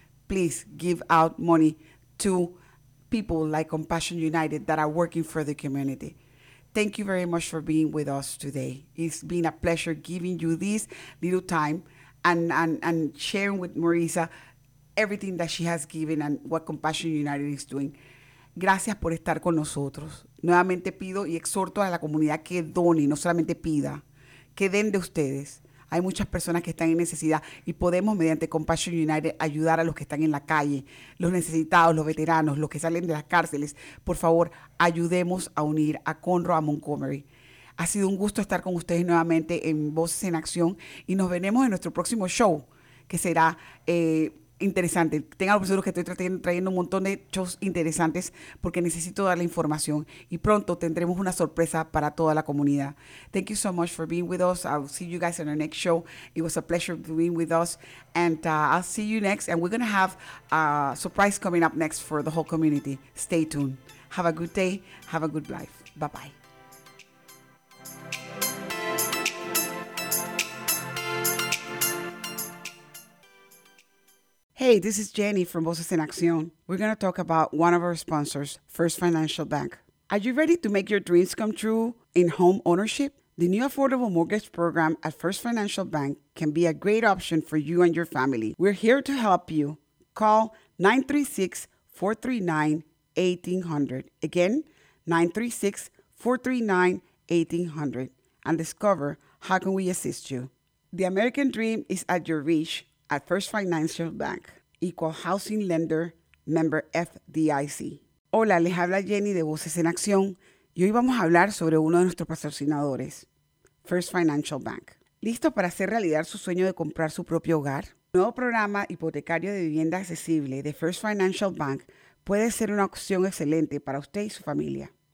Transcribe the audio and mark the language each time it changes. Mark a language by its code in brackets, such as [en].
[en] Please give out money to people like Compassion United that are working for the community. Thank you very much for being with us today. It's been a pleasure giving you this little time and sharing with Marisa everything that she has given and what Compassion United is doing. [es] Gracias por estar con nosotros. Nuevamente pido y exhorto a la comunidad que done, no solamente pida, que den de ustedes. Hay muchas personas que están en necesidad y podemos, mediante Compassion United, ayudar a los que están en la calle, los necesitados, los veteranos, los que salen de las cárceles. Por favor, ayudemos a unir a Conroe, a Montgomery. Ha sido un gusto estar con ustedes nuevamente en Voces en Acción y nos veremos en nuestro próximo show, que será interesante. Tengan los seguros que estoy trayendo un montón de shows interesantes porque necesito dar la información y pronto tendremos una sorpresa para toda la comunidad. [en] Thank you so much for being with us. I'll see you guys in our next show. It was a pleasure being with us and I'll see you next and we're going to have a surprise coming up next for the whole community. Stay tuned. Have a good day. Have a good life. Bye bye. Hey, this is Jenny from Voces en Acción. We're going to talk about one of our sponsors, First Financial Bank. Are you ready to make your dreams come true in home ownership? The new affordable mortgage program at First Financial Bank can be a great option for you and your family. We're here to help you. Call 936-439-1800. Again, 936-439-1800. And discover how can we assist you. The American dream is at your reach at First Financial Bank. Equal Housing Lender, Member FDIC. [es] Hola, les habla Jenny de Voces en Acción y hoy vamos a hablar sobre uno de nuestros patrocinadores, First Financial Bank. ¿Listo para hacer realidad su sueño de comprar su propio hogar? El nuevo programa hipotecario de vivienda accesible de First Financial Bank puede ser una opción excelente para usted y su familia.